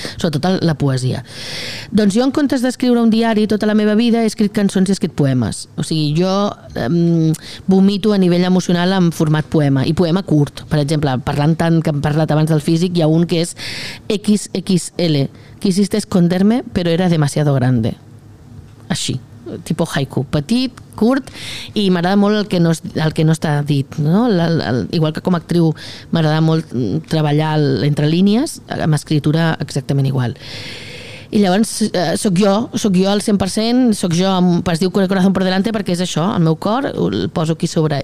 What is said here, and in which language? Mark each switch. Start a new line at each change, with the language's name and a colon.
Catalan: Sobretot la poesia. Doncs jo, en comptes d'escriure un diari tota la meva vida, he escrit cançons i he escrit poemes. O sigui, jo vomito a nivell emocional en format poema, i poema curt. Per exemple, parlant tant que hem parlat abans del físic, hi ha un que és XXL.
Spanish: Quisiste esconderme, pero era demasiado grande.
Catalan: Així, tipo haiku. Petit, curt, i m'agrada molt el que no està dit. No? Igual que com a actriu m'agrada molt treballar entre línies, amb escritura exactament igual. I llavors sóc jo al 100%, sóc jo, es diu Corazón por delante perquè és això, el meu cor, el poso aquí sobre.